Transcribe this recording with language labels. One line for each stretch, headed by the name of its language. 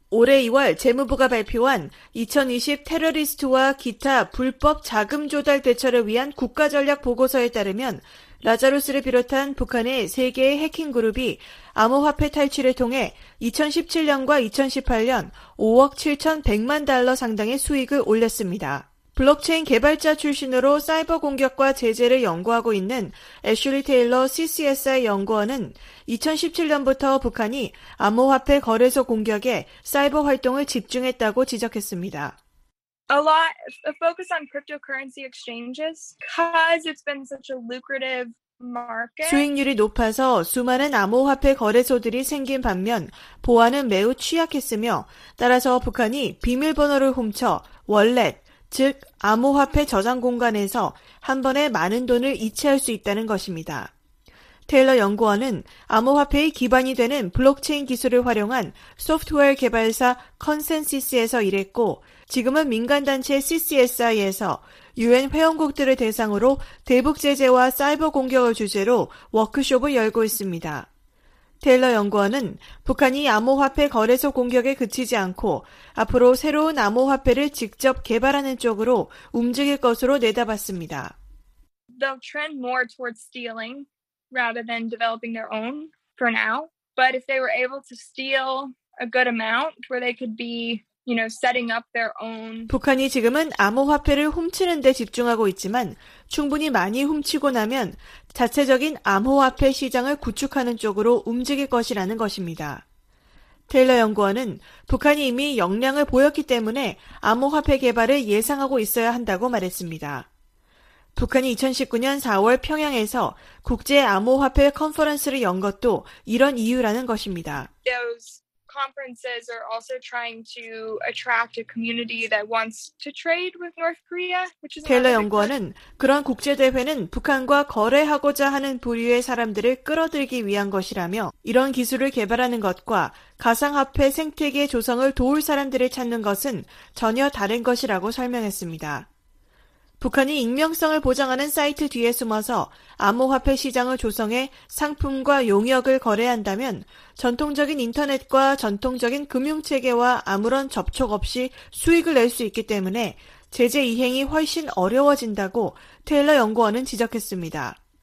Korean: 올해 2월 재무부가 발표한 2020 테러리스트와 기타 불법 자금 조달 대처를 위한 국가전략 보고서에 따르면 라자로스를 비롯한 북한의 3개의 해킹 그룹이 암호화폐 탈취를 통해 2017년과 2018년 5억 7,100만 달러 상당의 수익을 올렸습니다. 블록체인 개발자 출신으로 사이버 공격과 제재를 연구하고 있는 애슐리 테일러 CCSI 연구원은 2017년부터 북한이 암호화폐 거래소 공격에 사이버 활동을 집중했다고 지적했습니다.
English: A lot of focus on cryptocurrency exchanges because it's been such a lucrative market.
Korean: 수익률이 높아서 수많은 암호화폐 거래소들이 생긴 반면 보안은 매우 취약했으며 따라서 북한이 비밀번호를 훔쳐 월렛, 즉 암호화폐 저장 공간에서 한 번에 많은 돈을 이체할 수 있다는 것입니다. 테일러 연구원은 암호화폐의 기반이 되는 블록체인 기술을 활용한 소프트웨어 개발사 컨센시스에서 일했고 지금은 민간단체 CCSI에서 UN 회원국들을 대상으로 대북 제재와 사이버 공격을 주제로 워크숍을 열고 있습니다. 테일러 연구원은 북한이 암호화폐 거래소 공격에 그치지 않고 앞으로 새로운 암호화폐를 직접 개발하는 쪽으로 움직일 것으로 내다봤습니다.
English: They'll trend more towards stealing rather than developing their own for now. But if they were able to steal a good amount where they could be, you know, setting up their own.
Korean: 북한이 지금은 암호화폐를 훔치는 데 집중하고 있지만 충분히 많이 훔치고 나면 자체적인 암호화폐 시장을 구축하는 쪽으로 움직일 것이라는 것입니다. 테일러 연구원은 북한이 이미 역량을 보였기 때문에 암호화폐 개발을 예상하고 있어야 한다고 말했습니다. 북한이 2019년 4월 평양에서 국제 암호화폐 컨퍼런스를 연 것도 이런 이유라는 것입니다.
English: Those conferences are also trying to attract a community that wants to trade with North Korea, which is
Korean: 테일러 연구원은 그런 국제 대회는 북한과 거래하고자 하는 부류의 사람들을 끌어들기 위한 것이라며 이런 기술을 개발하는 것과 가상화폐 생태계 조성을 도울 사람들을 찾는 것은 전혀 다른 것이라고 설명했습니다. 북한이 익명성을 보장하는 사이트 뒤에 숨어서 암호화폐 시장을 조성해 상품과 용역을 거래한다면 전통적인 인터넷과 전통적인 금융체계와 아무런 접촉 없이 수익을 낼 수 있기 때문에 제재 이행이 훨씬 어려워진다고 테일러 연구원은 지적했습니다.